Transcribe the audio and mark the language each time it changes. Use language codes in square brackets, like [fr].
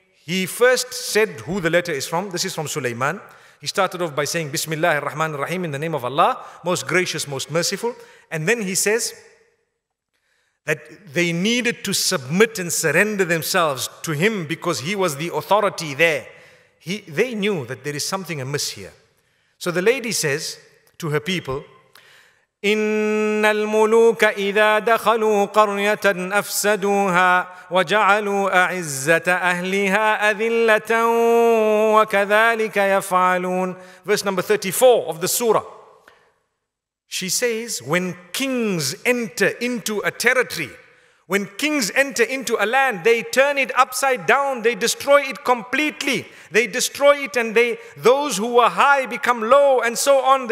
[en] He first said who the letter is from. This is from Sulaiman. He started off by saying, Bismillah ar-Rahman ar-Rahim, in the name of Allah, most gracious, most merciful. And then he says that they needed to submit and surrender themselves to him because he was the authority there. They knew that there is something amiss here. So the lady says to her people, [ar] إِنَّ الْمُلُوكَ إِذَا دَخَلُوا قَرْيَةً أَفْسَدُوهَا وَجَعَلُوا أَعِزَّةَ أَهْلِهَا أَذِلَّةً وَكَذَلِكَ يَفْعَلُونَ. [en] Verse number 34 of the surah. She says, when kings enter into a territory, when kings enter into a land, they turn it upside down, they destroy it completely. They destroy it and those who are high become low and so on.